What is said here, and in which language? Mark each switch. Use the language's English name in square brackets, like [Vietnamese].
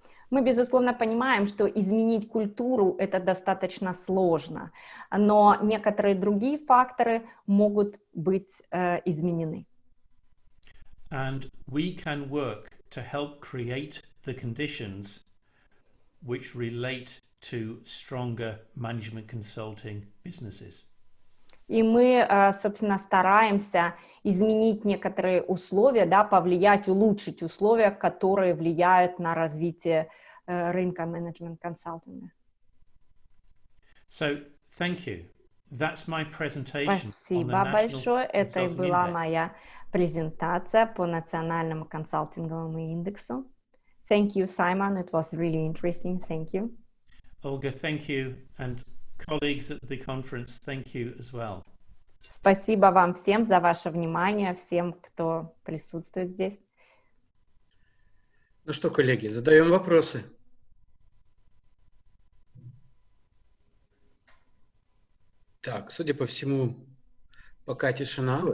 [Russian] Мы, безусловно, понимаем, что изменить культуру – это достаточно сложно, но некоторые другие факторы могут быть изменены. [English] And we can work to help create the conditions which relate to stronger management consulting businesses. [Russian] И мы, собственно, стараемся изменить некоторые условия, да, повлиять, улучшить условия, которые влияют на развитие рынка менеджмент-консалтинга. [English] So, thank you. That's my presentation. [Russian] Спасибо большое. Это и была моя презентация по национальному консалтинговому индексу. [English] Thank you, Simon. It was really interesting. Thank you. Olga, thank you. And colleagues at the conference, thank you as well. [Russian] Спасибо вам всем за ваше внимание, всем, кто присутствует здесь. Ну что, коллеги, задаем вопросы. Так, судя по всему, пока тишина.